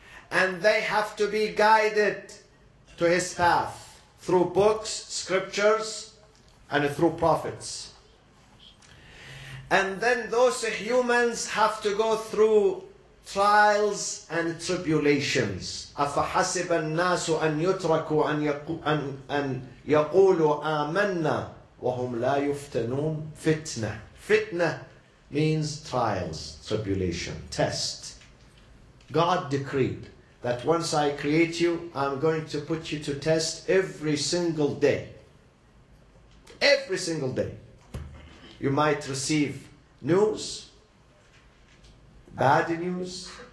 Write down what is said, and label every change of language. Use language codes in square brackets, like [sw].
[en] And they have to be guided to His path through books, scriptures, and through prophets. And then those humans have to go through trials and tribulations. [ar] أَفَحَسِبَ النَّاسُ أَن يُتْرَكُوا أَن يَقُولُوا آمَنَّا وَهُمْ لَا يُفْتَنُونَ. [en] Fitna means trials, tribulation, test. God decreed that once I create you, I'm going to put you to test every single day. Every single day. You might receive news, bad news.